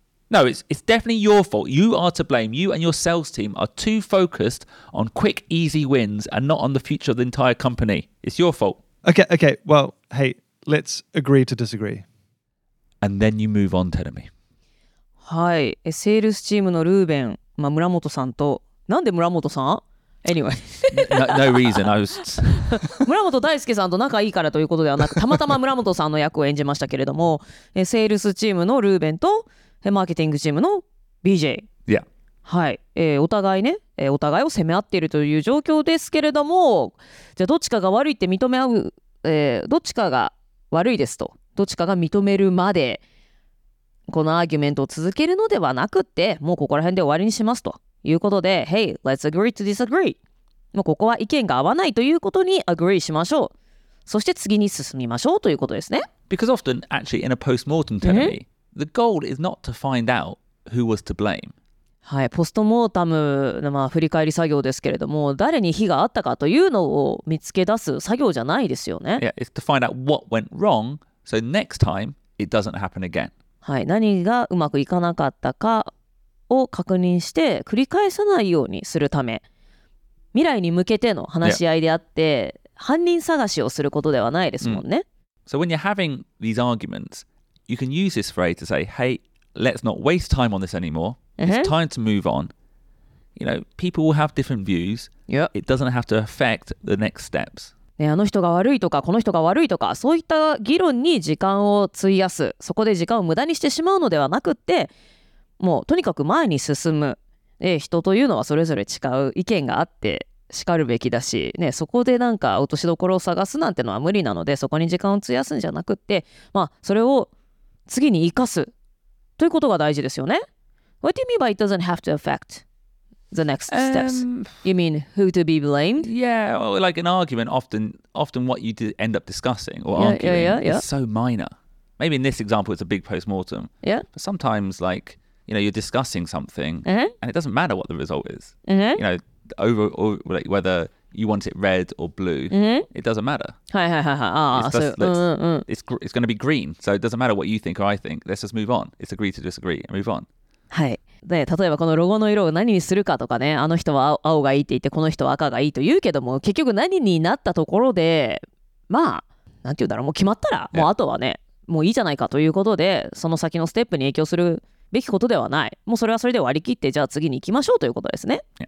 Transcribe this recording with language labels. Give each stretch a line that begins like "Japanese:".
English: No, it's definitely your fault. You are to blame. You and your sales team are too focused on quick, easy wins and not on the future of the entire company. It's your fault. Okay. Well, hey, let's agree to disagree. And then you move on, Terumi.
Japanese: Hi, sales team のルーベン。まあ、村本さんと、なんで村本さん ？Anyway、
English: no reason。
Japanese: 村本大輔さんと仲いいからということではなく、たまたま村本さんの役を演じましたけれども、セールスチームのルーベンとマーケティングチームの BJ、
English: yeah.
Japanese: はい、お互いね、お互いを攻め合っているという状況ですけれども、じゃあどっちかが悪いって認め合う、どっちかが悪いですと、どっちかが認めるまで。このアーギュメントを続けるのではなくって、もうここら辺で終わりにしますということで、
English: Hey, let's agree to disagree。
Japanese: もうここは意見が合わないということに agree しましょう。そして次に進みましょうということですね。
English: Because often, actually, in a post-mortem tell me,、mm-hmm. the goal is not to find out who was to blame.
Japanese: はい、ポストモータムの、まあ、振り返り作業ですけれども、誰に非があったかというのを見つけ出す作業じゃないですよね。
English: Yeah, it's to find out what went wrong, so next time it doesn't happen again.
Japanese: はい、何がうまくいかなかったかを確認して繰り返さないようにするため、未来に向けての話し合いであって、yeah. 犯人探しをすることではないですもんね。
English: So when you're having these arguments, you can use this phrase to say, hey, let's not waste time on this anymore. It's time to move on. You know, people will have different views. Yeah. It doesn't have to affect the next steps.
Japanese: ね、あの人が悪いとかこの人が悪いとかそういった議論に時間を費やす、そこで時間を無駄にしてしまうのではなくって、もうとにかく前に進む、人というのはそれぞれ違う意見があって叱るべきだし、ね、そこでなんか落としどころを探すなんてのは無理なので、そこに時間を費やすんじゃなくって、まあ、それを次に生かすということが大事ですよね。
English: What do you mean by it doesn't have to affect the next steps? You mean who to be blamed? Yeah, well, like an argument, often what you end up discussing or arguing is so minor. Maybe in this example, it's a big postmortem. Yeah. But sometimes, like, you know, you're discussing something and it doesn't matter what the result is. Mm-hmm. You know, over like whether you want it red or blue, it doesn't matter. It's going to be green. So it doesn't matter what you think or I think. Let's just move on. It's agree to disagree and move on.
Japanese: はい、で例えばこのロゴの色を何にするかとかね、あの人は青がいいって言ってこの人は赤がいいと言うけども、結局何になったところで、まあなんて言うんだろう、もう決まったらもうあとはね、もういいじゃないかということで、その先のステップに影響するべきことではない、もうそれはそれで割り切って、じゃあ次に行きましょうということですね。